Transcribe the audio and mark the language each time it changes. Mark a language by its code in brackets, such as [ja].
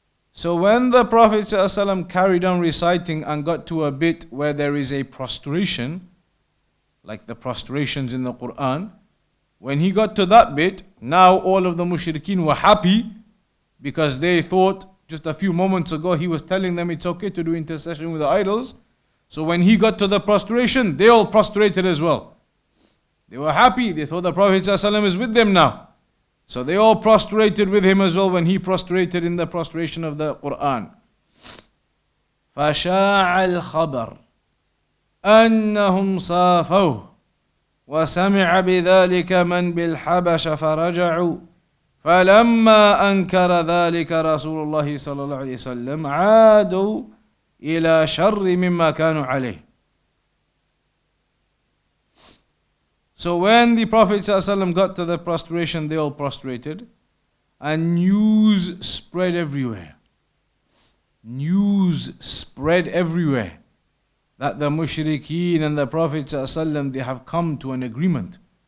[en] So when the Prophet ﷺ carried on reciting and got to a bit where there is a prostration, like the prostrations in the Quran, when he got to that bit, now all of the mushrikeen were happy because they thought just a few moments ago he was telling them it's okay to do intercession with the idols. So when he got to the prostration, they all prostrated as well. They were happy. They thought the Prophet ﷺ is with them now. So they all prostrated with him as well when he prostrated in the prostration of the Quran. [ar] فَشَاعَ الْخَبَرُ أنهم صافوه وسمع بذلك من بالحبش فرجعوا فلما أنكر ذلك رسول الله صلى الله عليه وسلم عادوا إلى شر مما كانوا عليه. [en] So when the Prophet ﷺ got to the prostration, they all prostrated, and news spread everywhere. News spread everywhere that the mushrikeen and the Prophet ﷺ, they have come to an agreement.